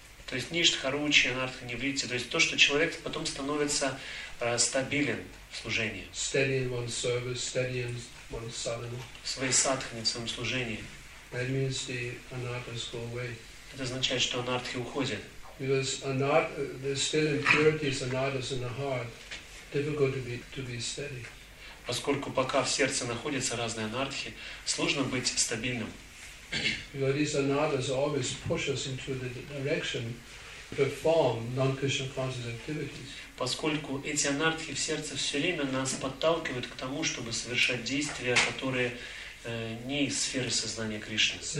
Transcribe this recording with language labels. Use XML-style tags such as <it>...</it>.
<ru>То есть ништха, ручи, анартха, ниритти. То есть то, что человек потом становится стабилен в служении.</ru> <en>Steady in one service, steady in</en> <ru>своей садхане, в своем служении.</ru> <en>That means the anarthas go away.</en> <ru>Это означает, что анартхи уходят.</ru> <en>Because there's still impurities, anarthas in the heart, difficult to be steady.</en> <ru>Поскольку пока в сердце находятся разные анартхи, сложно быть стабильным.</ru> <en>Because these anarthas always push us into the direction to perform non-Krishna conscious activities.</en> <ru>Поскольку эти анартхи в сердце все время нас подталкивают к тому, чтобы совершать действия, которые не из сферы сознания Кришны.</ru>